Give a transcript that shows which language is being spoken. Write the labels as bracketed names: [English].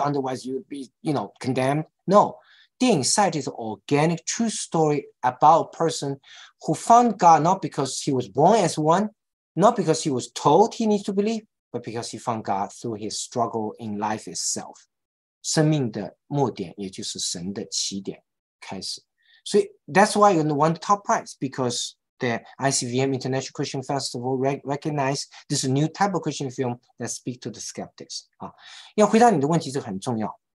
[English] Otherwise, you'd be, you know, condemned. No， 电影 sight is an organic true story about a person who found God not because he was born as one。 Not because he was told he needs to believe, but because he found God through his struggle in life itself. [Chinese] 生命的末点，也就是神的起点开始。 [English] 所以 that's why you won the top prize, because the ICVM International Christian Festival recognized this new type of Christian film that speaks to the skeptics. [Chinese] 啊，要回答你的问题，这个很重要。